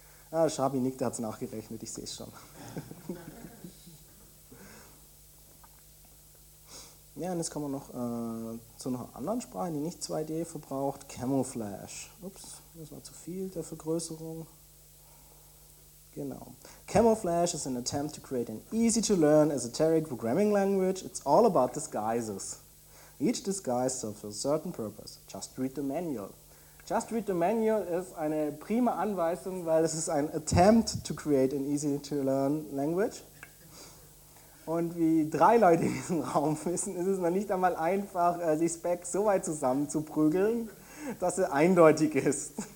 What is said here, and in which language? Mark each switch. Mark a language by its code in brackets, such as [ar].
[de] Ah, Schabi nickt, der hat es nachgerechnet, ich sehe es schon. Ja, und jetzt kommen wir noch zu einer anderen Sprache, die nicht 2D verbraucht, Camouflage. Ups, das war zu viel der Vergrößerung. Genau. [en] Camouflage is an attempt to create an easy-to-learn esoteric programming language. It's all about disguises. Each disguise serves a certain purpose. Just read the manual. Just read the manual [de] ist eine prima Anweisung, weil es ist ein [en] attempt to create an easy-to-learn language. [de] Und wie drei Leute in diesem Raum wissen, ist es noch nicht einmal einfach, die Spec so weit zusammenzuprügeln, dass sie eindeutig ist.